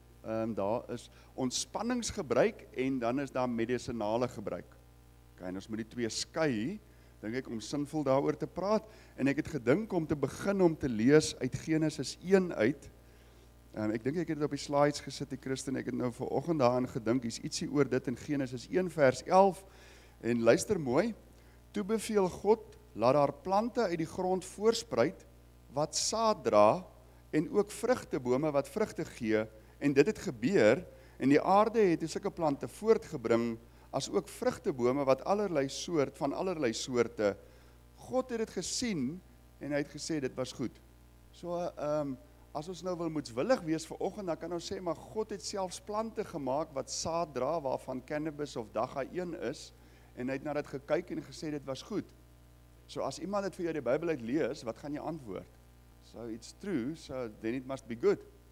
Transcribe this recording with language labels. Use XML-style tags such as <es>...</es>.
<af>Daar is ontspanningsgebruik en dan is daar medisinale gebruik. Okay, en ons moet die twee skei, dink ek, om sinvol daaroor te praat. En ek het gedink om te begin om te lees uit Genesis 1 uit. Ek dink ek het dit op die slides gesit, die Christen, ek het nou vanoggend daaraan gedink, is ietsie oor dit in Genesis 1 vers 11. En luister mooi, toe beveel God, laat haar plante uit die grond voorspruit wat saad dra en ook vrugtebome wat vrugte gee, en dit het gebeur en die aarde het sulke plante voortgebring as ook vrugtebome wat allerlei soorte. God het dit gesien en hy het gesê dit was goed. So as ons nou wil moetswillig wees vanoggend, dan kan ons sê maar God het selfs plante gemaak wat saad dra waarvan cannabis of dagga 1 is, en hy het na dit gekyk en gesê dit was goed. So as iemand het vir jou die Bybel uit lees, wat gaan jy antwoord?</af> <en>So it's true, so then it must be good.</en>